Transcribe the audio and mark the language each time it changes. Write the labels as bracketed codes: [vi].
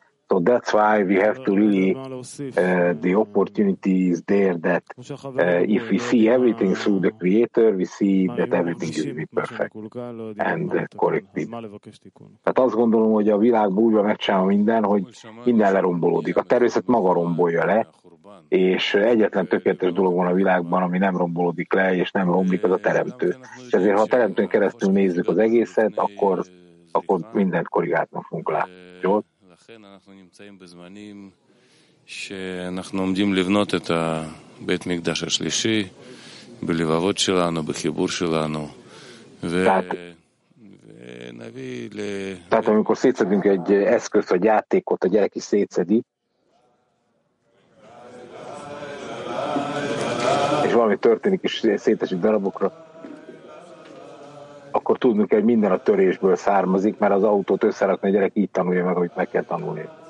[en] So that's why we have to really, the opportunity is there that if we see everything through the Creator, we see that everything will be perfect and corrected. [hu] Tehát azt gondolom, hogy a világban úgy van megcsinálva minden, hogy minden lerombolódik. A természet maga rombolja le, és egyetlen tökéletes dolog van a világban, ami nem rombolódik le, és nem romlik, az a Teremtő. És ezért, ha a Teremtőn keresztül nézzük az egészet, akkor mindent korrigálni fogunk le. Jó? [he] כן, אנחנו נמצאים בזמנים שאנחנו עומדים לבנות את בית המקדש השלישי בלבבות שלנו, בחיבור שלנו, ונביא ל... [hu] Tehát amikor szétszedünk egy eszköz, vagy játékot, a gyerek is szétszedi, és valami történik, és szétesik darabokra, akkor tudnunk kell, hogy minden a törésből származik, mert az autót összerakni a gyerek így tanulja meg, amit meg kell tanulni.